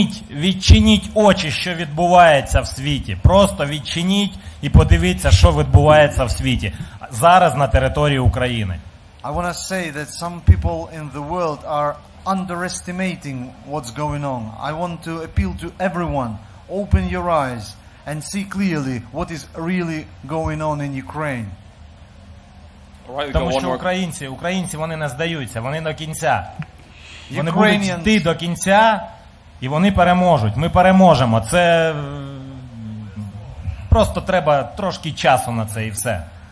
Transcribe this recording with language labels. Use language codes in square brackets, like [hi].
[uk] Відчиніть очі, що відбувається в світі. Просто відчиніть і подивіться, що відбувається в світі зараз на території України. [en] I want to say that some people in the world are underestimating what's going on. I want to appeal to everyone, open your eyes and see clearly what is really going on in Ukraine. [uk] Right, тому що українці вони не здаються, вони до кінця. Вони будуть йти до кінця, і вони переможуть. Ми переможемо. Це просто треба трошки часу на це і все.